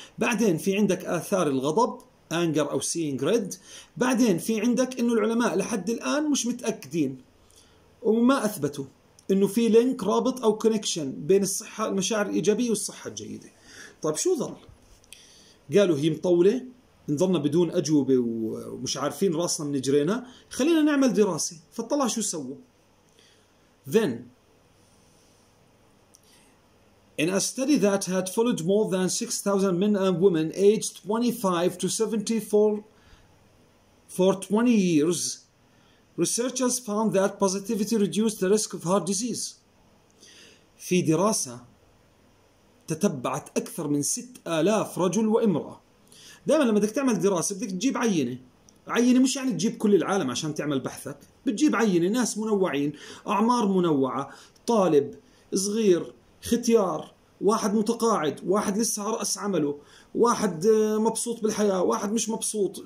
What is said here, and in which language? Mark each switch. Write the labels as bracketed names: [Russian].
[Arabic] بعدين في عندك اثار الغضب anger او [English] seeing red، [Arabic] بعدين في عندك انه العلماء لحد الان مش متأكدين وما اثبتوا انه في لينك رابط او كونكشن بين الصحة المشاعر الايجابية والصحة الجيدة. طيب شو ظل؟ قالوا هي مطولة، نظلنا بدون أجوبة ومش عارفين راسنا من جرينا، خلينا نعمل دراسة. فطلع شو سووا. [English] Then in a study that had followed more than 6,000 men and women aged 25 to 74 for 20 years, researchers found that positivity reduced the risk of heart disease. [Arabic] في دراسة تتبعت أكثر من 6,000 رجل وامرأة. دائما لما بدك تعمل دراسة بدك تجيب عينة، عينة مش يعني تجيب كل العالم عشان تعمل بحثك، بتجيب عينة ناس منوعين، أعمار منوعة، طالب صغير، ختيار، واحد متقاعد، واحد لسه على رأس عمله، واحد مبسوط بالحياة، واحد مش مبسوط.